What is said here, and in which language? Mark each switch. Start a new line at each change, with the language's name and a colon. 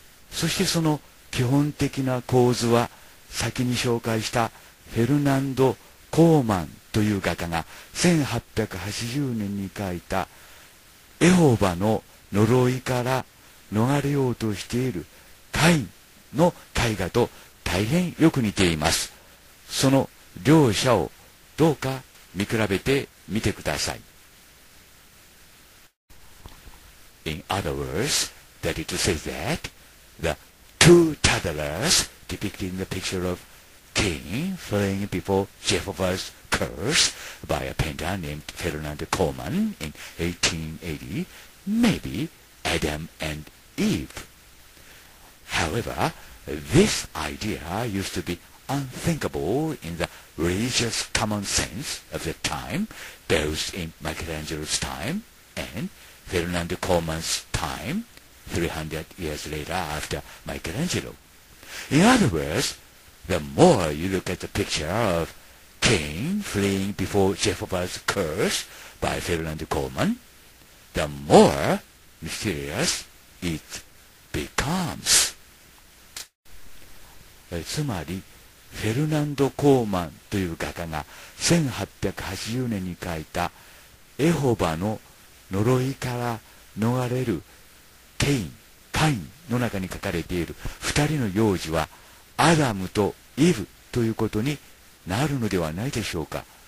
Japanese: そしてその基本的な構図は、先に紹介したフェルナンド・コーマンという画家が1880年に描いたエホバの呪いから逃れようとしているカインの絵画と大変よく似ています。その両者をどうか見比べてみてください。
English: In other words, that is to say that the two toddlers depicted in the picture of Cain fleeing before Jehovah's curse by a painter named Ferdinand Coleman in 1880 may be Adam and Eve. HoweverThis idea used to be unthinkable in the religious common sense of the time, both in Michelangelo's time and Ferdinand Coleman's time, 300 years later after Michelangelo. In other words, the more you look at the picture of Cain fleeing before Jehovah's curse by Ferdinand Coleman, the more mysterious it becomes.
Japanese: つまりフェルナンド・コーマンという画家が1880年に描いたエホバの呪いから逃れるカインの中に描かれている2人の幼児はアダムとイブということになるのではないでしょうか。